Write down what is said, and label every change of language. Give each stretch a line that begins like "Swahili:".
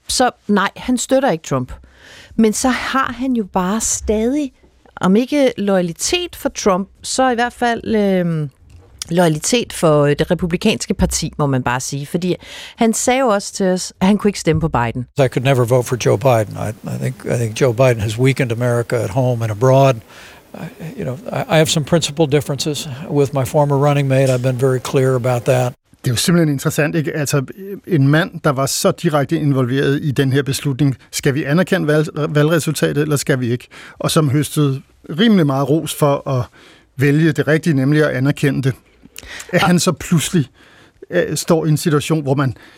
Danish: Så nej, han støtter ikke Trump. Men så har han jo bare stadig, om ikke loyalitet for Trump, så i hvert fald loyalitet for det republikanske parti, må man bare sige. Fordi han sagde jo også til os, at han kunne ikke stemme på Biden.
English: I could never vote for Joe Biden. I think Joe Biden has weakened America at home and abroad. I have some principal differences with my former running mate. I've been very clear about that.
Danish: Det er jo simpelthen interessant, ikke? Altså, en mand, der var så direkte involveret i den her beslutning, skal vi anerkende valgresultatet, eller skal vi ikke? Og som høstede rimelig meget ros for at vælge det rigtige, nemlig at anerkende det. At han så pludselig står i en situation, hvor man...